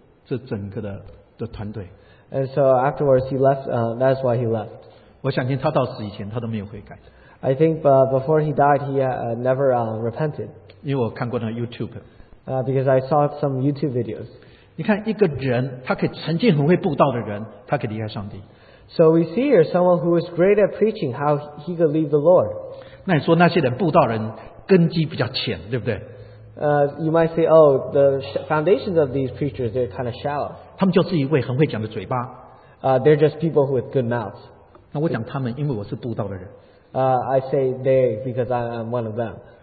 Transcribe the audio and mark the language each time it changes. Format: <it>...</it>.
<zh>所以不久以后他就离开了这整个的团队。</zh> <en>And so afterwards he left, that's why he left.</en> <zh>我想听他到死以前他都没有悔改。</zh> <en>I think before he died, he never repented.</en> <zh>因为我看过那YouTube。</zh> <en>Because I saw some YouTube videos.</en> <zh>你看一个人,他可以曾经很会布道的人,他可以离开上帝。</zh> <en>So we see here someone who is great at preaching, how he could leave the Lord.</en> <zh>那你说那些人布道人根基比较浅,对不对?</zh> <en>You might say, oh, the foundations of these preachers, they're kind of shallow.</en> <zh>他们就是一位很会讲的嘴巴。</zh> <en>They're just people with good mouths.</en> <zh>那我讲他们,因为我是布道的人。</zh> <en>I say they because I'm one of them.</en>